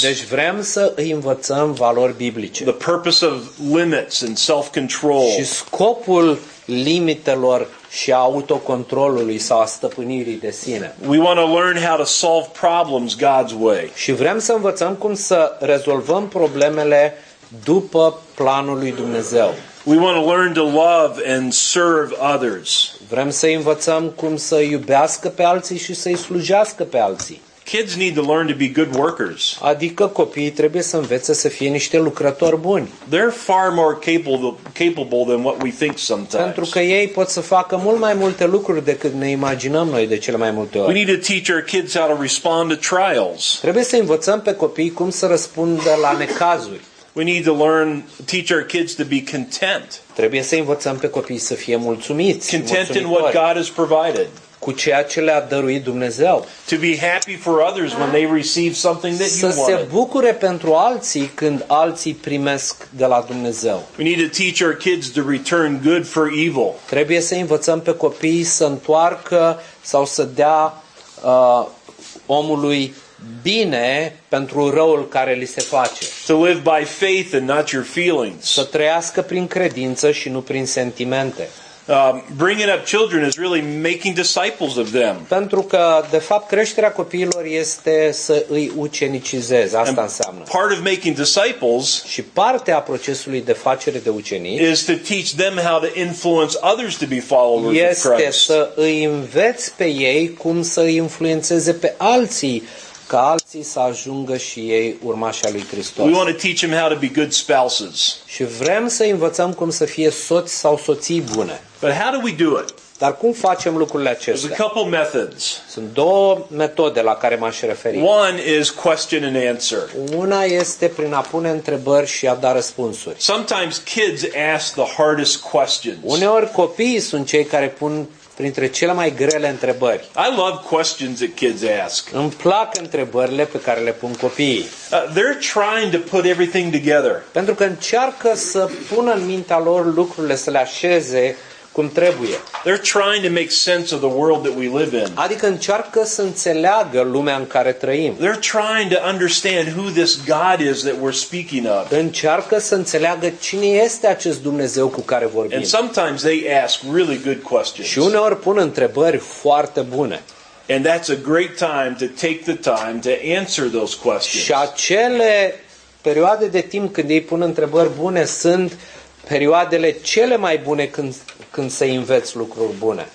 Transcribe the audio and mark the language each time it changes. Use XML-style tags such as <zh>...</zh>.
<ro>Deci vrem să îi învățăm valori biblice.</ro> <en>The purpose of limits and self-control.</en> <ro>Și scopul limitelor și autocontrolului sau a stăpânirii de sine.</ro> <en>We want to learn how to solve problems God's way.</en> <ro>Și vrem să învățăm cum să rezolvăm problemele după planul lui Dumnezeu.</ro> <en>We want to learn to love and serve others.</en> <ro>Vrem să învățăm cum să iubească pe alții și să-i slujească pe alții.</ro> <en>Kids need to learn to be good workers.</en> <ro>Adică copiii trebuie să învețe să fie niște lucrători buni.</ro> <en>They're far more capable than what we think sometimes.</en> <ro>Pentru că ei pot să facă mult mai multe lucruri decât ne imaginăm noi de cele mai multe ori.</ro> <en>We need to teach our kids how to respond to trials.</en> <ro>Trebuie să învățăm pe copii cum să răspundă la necazuri.</ro> <en>We need to teach our kids to be content.</en> <ro>Trebuie să învățăm pe copii să fie mulțumiți.</ro> <en>Content in what God has provided.</en> <ro>Cu ceea ce le-a dăruit Dumnezeu.</ro> <en>To be happy for others when they receive something that you want.</en> <ro>Să se bucure pentru alții când alții primesc de la Dumnezeu.</ro> <en>We need to teach our kids to return good for evil.</en> <ro>Trebuie să învățăm pe copii să întoarcă sau să dea omului bine pentru răul care li se face.</ro> <en>To live by faith and not your feelings.</en> <ro>Să trăiască prin credință și nu prin sentimente.</ro> <en>Bringing up children is really making disciples of them.</en> <ro>Pentru că de fapt creșterea copiilor este să îi ucenicizeze, asta</ro> <en>and</en> <ro>înseamnă.</ro> <en>Part of making disciples</en> <ro>și partea procesului de facere de ucenici</ro> <en>is to teach them how to influence others to be followers of Christ.</en> <ro>Este să îi înveți pe ei cum să îi influențeze pe alții ca alții să ajungă și ei urmașii lui Hristos.</ro> <en>We want to teach them how to be good spouses.</en> <ro>Și vrem să învățăm cum să fie soți sau soții bune.</ro> <en>But how do we do it?</en> <ro>Dar cum facem lucrurile acestea?</ro> <en>There's a couple methods.</en> <ro>Sunt două metode la care m-aș referi.</ro> <en>One is question and answer.</en> <ro>Una este prin a pune întrebări și a da răspunsuri.</ro> <en>Sometimes kids ask the hardest questions.</en> <ro>Uneori copiii sunt cei care pun printre cele mai grele întrebări.</ro> <en>I love questions that kids ask.</en> <ro>Îmi plac întrebările pe care le pun copiii.</ro> <en>They're trying to put everything together.</en> <ro>Pentru că încearcă să pună în mintea lor lucrurile, să le așeze cum trebuie.</ro> <en>They're trying to make sense of the world that we live in.</en> <ro>Adică încearcă să înțeleagă lumea în care trăim.</ro> <en>They're trying to understand who this God is that we're speaking of.</en> <ro>Încearcă să înțeleagă cine este acest Dumnezeu cu care vorbim.</ro> <en>And sometimes they ask really good questions.</en> <ro>Și uneori pun întrebări foarte bune.</ro> <en>And that's a great time to take the time to answer those questions.</en> <ro>Și acele perioade de timp când ei pun întrebări bune sunt perioadele cele mai bune când să înveți lucruri bune.</ro>